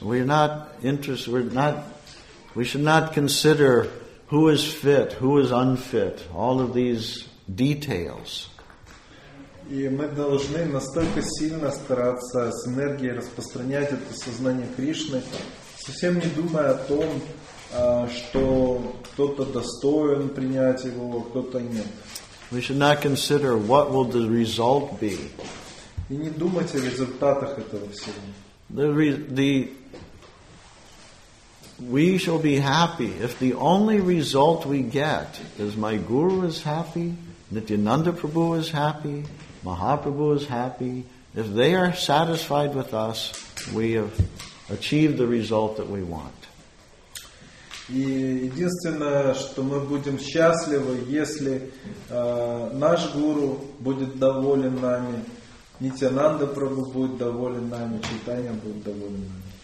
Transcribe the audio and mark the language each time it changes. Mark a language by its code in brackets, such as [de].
[en] We should not consider who is fit, who is unfit, all of these details. [ru] И мы должны настолько сильно стараться с энергией распространять это сознание Кришны, совсем не думая о том, что кто-то достоин принять его, кто-то нет. [en] We should not consider what will the result be. [ru] И не думать о результатах этого всего. [en] We shall be happy if the only result we get is my guru is happy, Nityananda Prabhu is happy, Mahaprabhu is happy. If they are satisfied with us, we have achieved the result that we want. [ru] И единственное, что мы будем счастливы, если наш гуру будет доволен нами, Нитянанда Прабху будет доволен нами, Чайтанья будет доволен нами.